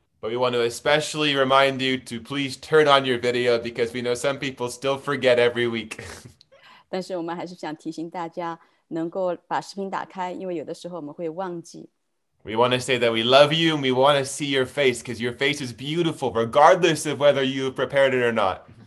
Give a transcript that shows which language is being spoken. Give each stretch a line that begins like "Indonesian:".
English: we want to especially remind you to please turn on your video because we know some people still forget every week.
Chinese: 但是我们还是想提醒大家能够把视频打开，因为有的时候我们会忘记。
English: We want to say that we love you and we want to see your face because your face is beautiful, regardless of whether you've prepared it or not.